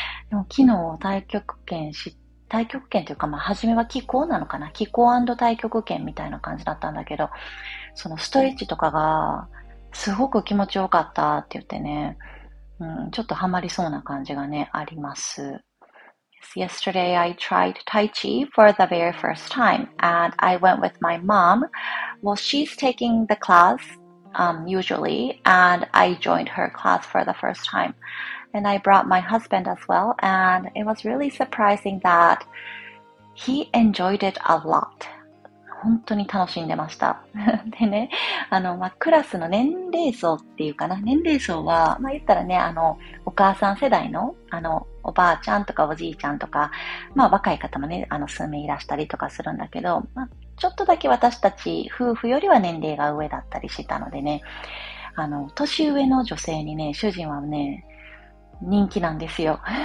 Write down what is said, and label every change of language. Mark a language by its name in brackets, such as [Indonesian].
[Japanese] でも昨日太極拳というか、まあ初めは気功なのかな、気功&太極拳みたいな感じだったんだけど、そのストレッチとかがすごく気持ちよかったって言ってね、ちょっとハマりそうな感じがね、あります。 [English] Yesterday I tried Tai Chi for the very first time and I went with my mom. Well, she's taking the class, usually, and I joined her class for the first time. And I brought my husband as well, and it was really surprising that he enjoyed it a lot. [Japanese] 本当に楽しんでました。でね、クラスの年齢層っていうかな、年齢層は、まあ、言ったらね、お母さん世代の、おばあちゃんとかおじいちゃんとか、まあ若い方もね、数名いらしたりとかするんだけど、まあちょっとだけ私たち夫婦よりは年齢が上だったりしたのでね、年上の女性にね、主人はね、人気なんですよ。